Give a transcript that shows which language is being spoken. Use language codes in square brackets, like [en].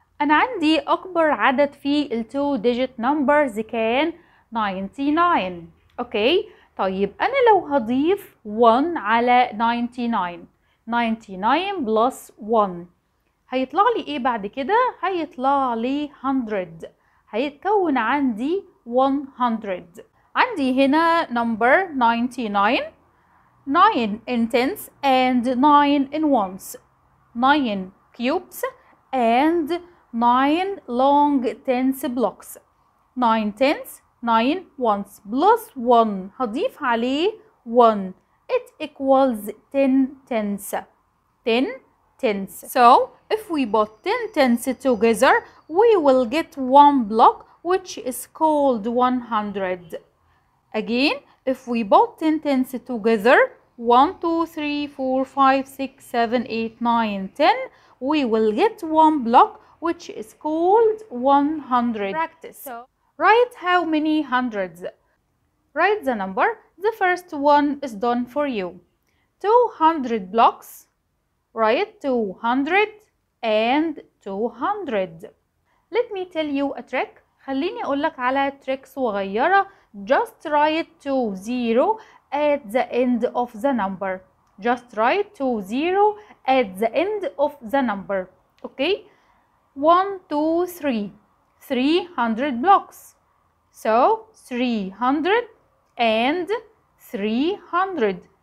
[ar] انا عندي اكبر عدد في ال 2 digit numbers كان 99. اوكي طيب انا لو هضيف 1 على 99 plus 1 هيطلع لي ايه بعد كده؟ هيطلع لي 100، هيتكون عندي 100. [en] عندي هنا number 99، 9 in tens and 9 in ones، 9 cubes and 9 long tens blocks. 9 tens 9 ones plus 1 [ar] هضيف عليه [en] 1 it equals 10 tens. 10 tens. So if we put 10 tens together we will get one block which is called 100. Again if we put 10 tens together 1 2 3 4 5 6 7 8 9 10 we will get one block which is called 100. Practice. So, write how many hundreds. Write the number. The first one is done for you. 200 blocks. Write 200 and 200. Let me tell you a trick. [ar] خليني أقول لك على trick صغيرة. [en] Just write 20 at the end of the number. Just write 20 at the end of the number. Okay. 1, 2, 3, 300 blocks. So 300 and 300.